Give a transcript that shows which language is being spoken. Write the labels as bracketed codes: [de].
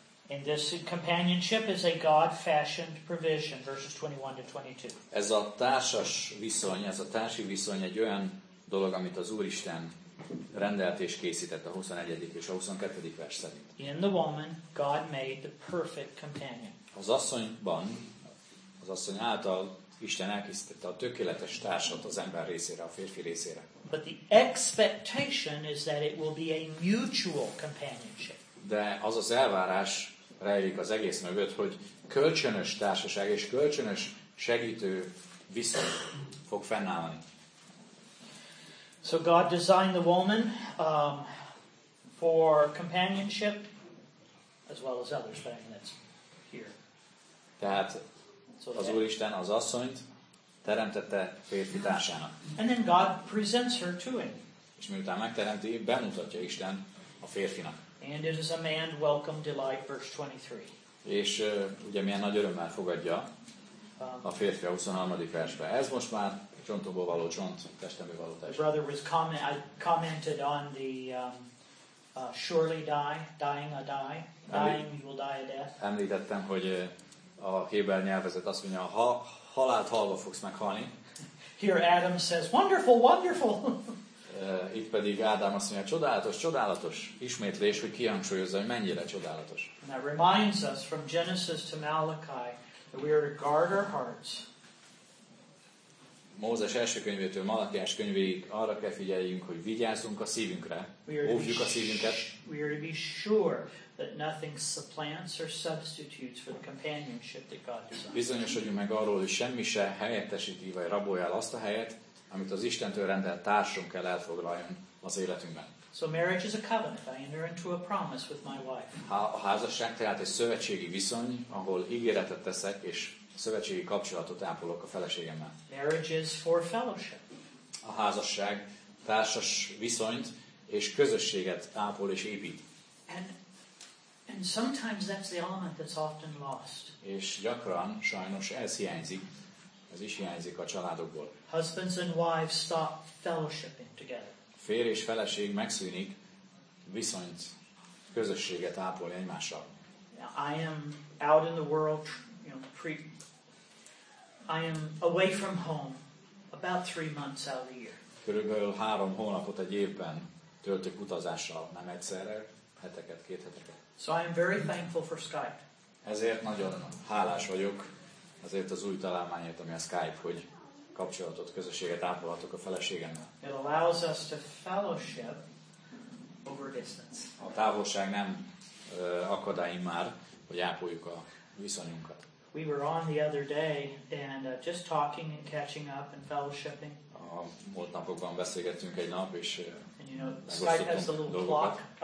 [en] And this companionship is a God-fashioned provision, verses 21-22. [hu] Ez a társas viszony, ez a társi viszony egy olyan dolog, amit az Úristen rendelt és készített a 21. és a 22. vers szerint. [en] In the woman, God made the perfect companion. [hu] Az asszonyban, az asszony által Isten elkészítette a tökéletes társat az ember részére, a férfi részére. [en] But the expectation is that it will be a mutual companionship. [hu] De az az elvárás rejlik az egész mögött, hogy kölcsönös társaság és kölcsönös segítő viszony fog fennállni. [en] So God designed the woman for companionship as well as others, but I mean that's here. [hu] Tehát az Úristen az asszonyt teremtette férfi társának. [en] And then God presents her to him. [hu] És miután megteremti, bemutatja Isten a férfinak. [en] And it is a man welcome delight, verse 23. [hu] És ugye milyen nagy örömmel fogadja a férfi a 23. versbe. Ez most már csontokból való csont, testemből való test. [en] Brother was commented on the surely die, dying a die, dying you will die a death. [hu] Említettem, hogy a héber nyelvezet azt mondja, ha halált halva fogsz meghalni. [en] Here Adam says, wonderful, wonderful. [hu] Itt pedig Ádám azt mondja, csodálatos, csodálatos ismétlés, hogy kihangsúlyozza, hogy mennyire csodálatos. [en] And that reminds us from Genesis to Malachi that we are to guard our hearts. [hu] Mózes első könyvétől Malachiás könyvéig arra kell figyeljünk, hogy vigyázzunk a szívünkre, óvjuk a szívünket. [en] We are to be sure that nothing supplants or substitutes for the companionship that God designed. [hu] Bizonyosodjunk meg arról, hogy semmi se helyettesíti vagy rabolja el azt a helyet, amit az Istentől rendelt társunk kell elfoglaljon az életünkben. [en] So marriage is a covenant. I enter into a promise with my wife. [hu] A házasság tehát egy szövetségi viszony, ahol ígéretet teszek és szövetségi kapcsolatot ápolok a feleségemmel. [en] Marriage is for fellowship. [hu] A házasság társas viszonyt és közösséget ápol és épít. [en] And sometimes that's the element that's often lost. [hu] És gyakran sajnos ez hiányzik. Ez is hiányzik a családokból. [en] Husbands and wives stop fellowshipping together. [hu] Férj és feleség megszűnik viszonyt, közösséget ápolni egymással. [en] I am out in the world, you know, I am away from home about 3 months out of the year. [hu] Körülbelül 3 hónapot egy évben töltök utazással, nem egyszerre, heteket, két heteket. [en] So I am very thankful for Skype. [hu] Ezért nagyon hálás vagyok. Azért az új találmányért, ami a Skype, hogy kapcsolatot, közösséget ápolhatok a feleségemmel. [en] It allows us to fellowship over distance. [hu] A távolság nem akadályim már, hogy ápoljuk a viszonyunkat. [en] We were on the other day and just talking and catching up and fellowshipping. [hu] A múlt napokban beszélgettünk egy nap, és megosztottunk dolgokat.